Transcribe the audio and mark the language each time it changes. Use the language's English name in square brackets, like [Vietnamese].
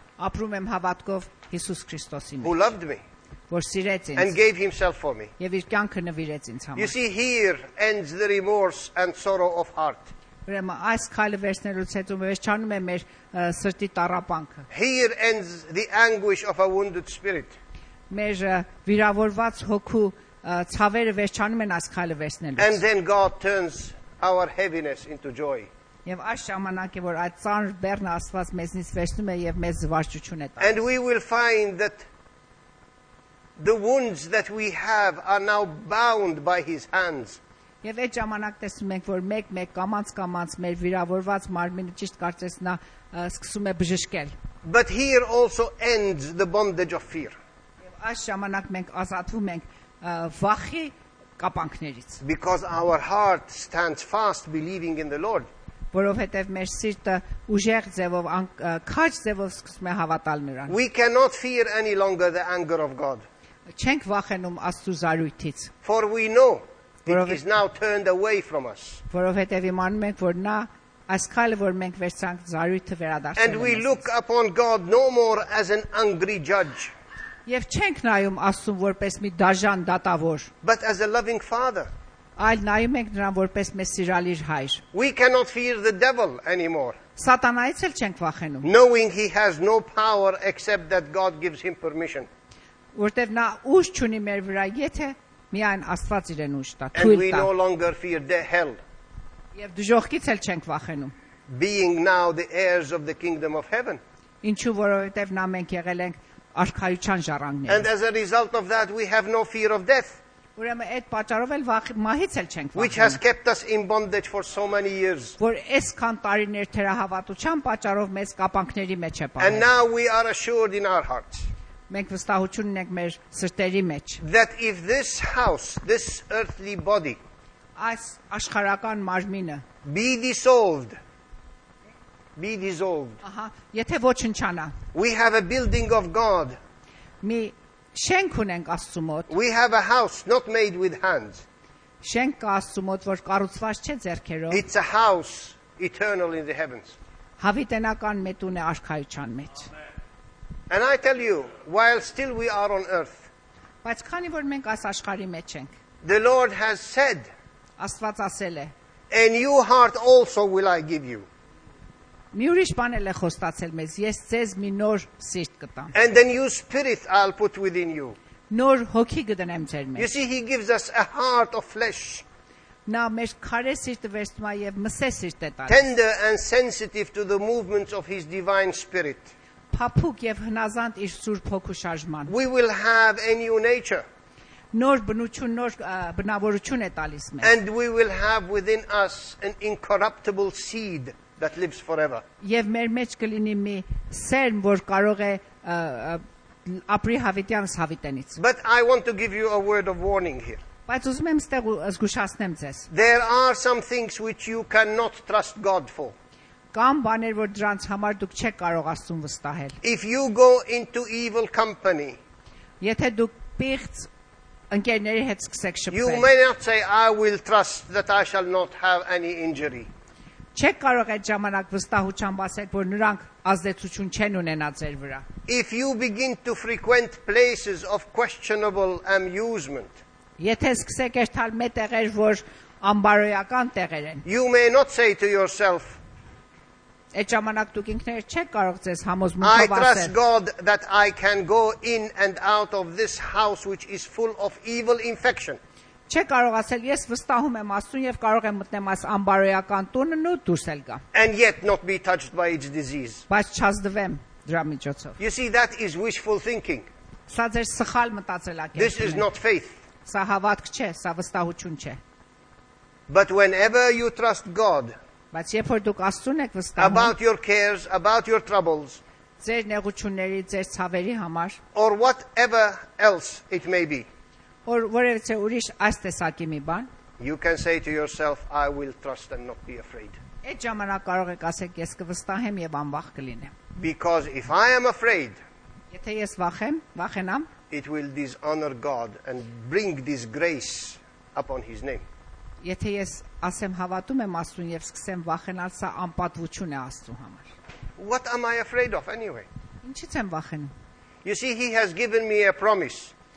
[Armenian] Ապրում եմ հավատքով Հիսուս Քրիստոսին։ [English] Who loved me. [Armenian] Որ սիրեց ինձ։ [English] And gave himself for me. [Armenian] Եվ իր կյանքը նվիրեց ինձ համար։ [English] You see, here ends the remorse and sorrow of heart. [Armenian] Ուրեմն այս քայլը վերցնելուց հետո ես չանում եմ մեր սրտի տառապանքը։ [English] Here ends the anguish of a wounded spirit. [Armenian] Մեր վիրավորված հոգու ցավերը վերջանում են այս քայլը վերցնելուց։ [English] And then God turns our heaviness into joy. [Armenian] Եվ այս ժամանակ է, որ այդ ծանր բեռն Աստված մեզնից վերցնում է եւ մեզ զվարճություն է տալիս։ [English] And we will find that the wounds that we have are now bound by his hands. [Armenian] Եվ այդ ժամանակ տեսնում ենք, որ մեկ-մեկ կամած-կամած մեր վիրավորված մարմինը ճիշտ կարծես նա սկսում է բժշկել։ [English] But here also ends the bondage of fear. [Armenian] Եվ այս ժամանակ մենք ազատվում ենք վախի կապանքներից։ [English] Because our heart stands fast believing in the Lord. [Armenian] Որովհետև մեր սիրտը ուժեղ ձևով, քաջ ձևով սկսում է հավատալ նրան։ [English] We cannot fear any longer the anger of God. [Armenian] Չենք վախենում Աստծո զարույթից։ [English] For we know it is now turned away from us. [Armenian] Որովհետև իմանում ենք, որ նա այս քայլը, որ մենք վերցանք, զարույթը վերադարձել է։ [English] And we look upon God no more as an angry judge. [Armenian] Եվ չենք նայում Աստծուն որպես մի դաժան դատավոր։ [English] But as a loving father. [Armenian] Այլ նայում ենք նրան որպես մեզ սիրալի հայր։ [English] We cannot fear the devil anymore. [Armenian] Սատանայից էլ չենք վախենում։ [English] Knowing he has no power except that God gives him permission. [Armenian] Որտեվ նա ուժ չունի մեր վրա, եթե միայն Աստված իրեն ուժ տա, թույլ տա։ [English] And we no longer fear the hell. [Armenian] Եվ դժոխքից էլ չենք վախենում։ [English] Being now the heirs of the kingdom of heaven. [Armenian] Ինչու՞ որովհետև նա մենք եղել ենք արքայության ժառանգներ։ [English] And as a result of that we have no fear of death. [Armenian] Ուրեմն այդ պատճառով էլ մահից էլ չենք վախենում։ [English] Which has kept us in bondage for so many years. [Armenian] Որ այսքան տարիներ թերահավատության պատճառով մեզ կապանքների մեջ է պահել։ [English] And now we are assured in our hearts. [Armenian] Մենք վստահություն ունենք մեր սրտերի մեջ։ [English] That if this house, this earthly body, [Armenian] այս աշխարական մարմինը [English] be dissolved. [Armenian] Ահա, եթե ոչնչանա։ [English] We have a building of God. [Armenian] Մի շենք ունենք Աստծո մոտ։ [English] We have a house not made with hands. [Armenian] Շենք Աստծո մոտ, որ կառուցված չէ ձեռքերով։ [English] It's a house eternal in the heavens. [Armenian] Հավիտենական մետուն է արքայության մեջ։ [English] And I tell you, while still we are on earth. [Armenian] Բայց քանի որ մենք այս աշխարհի մեջ ենք։ [English] The Lord has said. [Armenian] Աստված ասել է։ [English] A new heart also will I give you. And then new spirit I'll put within you. [Armenian] Նոր հոգի կդնեմ ձեր մեջ. [English] You see, he gives us a heart of flesh. [Armenian] Նա մեր քարե սիրտը վերցնում է եւ մսե սիրտ է տալիս. [English] Tender and sensitive to the movements of his divine spirit. [Armenian] Փափուկ եւ հնազանդ իր սուրբ հոգու շարժման. [English] We will have a new nature. [Armenian] Նոր բնություն, նոր բնավորություն է տալիս մեզ. [English] And we will have within us an incorruptible seed that lives forever. [Armenian] Եվ մեր մեջ կլինի մի սերմ, որ կարող է [English] But I want to give you a word of warning here. There are some things which you cannot trust God for. If you go into evil company, you may not say, I will trust that I shall not have any injury. [Armenian] Չեք կարող այդ ժամանակ վստահությամբ ասել, որ նրանք ազդեցություն չեն ունենա ձեր վրա։ [English] If you begin to frequent places of questionable amusement, [Armenian] եթե սկսեք այդ տեղեր, որ անբարոյական տեղեր են, [English] you may not say to yourself, [Armenian] այդ ժամանակ դուք ինքներդ չեք կարող ձեզ համոզմունքով ասել, [English] I trust God that I can go in and out of this house which is full of evil infection. [Armenian] Չէ կարող ասել ես վստահում եմ աստուն եւ կարող եմ մտնեմ այս անբարոյական տունն ու դուրս եկ գա [English] And yet not be touched by its disease. [Armenian] Բայց չազդվեմ դրա միջոցով. [English] You see that is wishful thinking. [Armenian] Սա ձեր սխալ մտածելակերպն է. [English] This is not faith. [Armenian] Սա հավատք չէ, սա վստահություն չէ. [English] But whenever you trust God. [Armenian] Բայց երբ որ դուք աստուն եք վստահում. [English] About your cares, about your troubles. [Armenian] Ձեր նեղությունների, ձեր ցավերի համար. [English] Or whatever else it may be. Or whatever say [Armenian] ուրիշ այս տեսակի մի բան [English] You can say to yourself I will trust and not be afraid. [Armenian] Այդ ժամանակ կարող եք ասել ես կվստահեմ եւ անվախ կլինեմ. [English] Because if I am afraid [Armenian] Եթե ես վախեմ, վախենամ [English] It will dishonor God and bring disgrace upon his name. [Armenian] Եթե ես ասեմ հավատում եմ Աստծուն եւ սկսեմ վախենալ, սա անպատվություն է Աստծու համար. [English] What am I afraid of anyway? [Armenian] Ինչից եմ վախենում? [English] You see he has given me a promise.